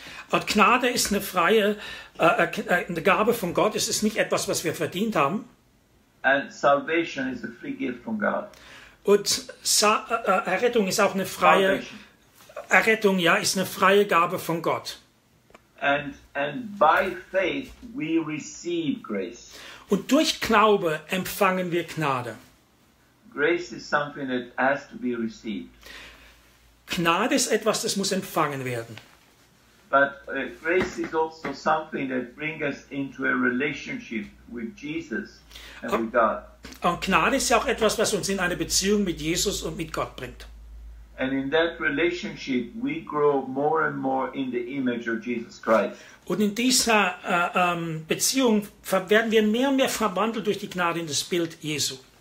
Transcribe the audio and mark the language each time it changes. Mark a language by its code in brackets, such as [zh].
[de] Und Gnade ist eine freie eine Gabe von Gott. Es ist nicht etwas, was wir verdient haben. [en] And salvation is a free gift from God. [de] Und Errettung ist auch eine freie salvation. Errettung, ja, ist eine freie Gabe von Gott. [en] And by faith we receive grace. [de] Und durch Glaube empfangen wir Gnade. [en] Grace is something that has to be received. [de] Gnade ist etwas, das muss empfangen werden. [en] But grace is also something that brings us into a relationship with Jesus and with God. [de] Und Gnade ist ja auch etwas, was uns in eine Beziehung mit Jesus und mit Gott bringt. [en] And in that relationship, we grow more and more in the image of Jesus Christ. [de] Und in dieser Beziehung werden wir mehr und mehr verwandelt durch die Gnade in das Bild Jesu.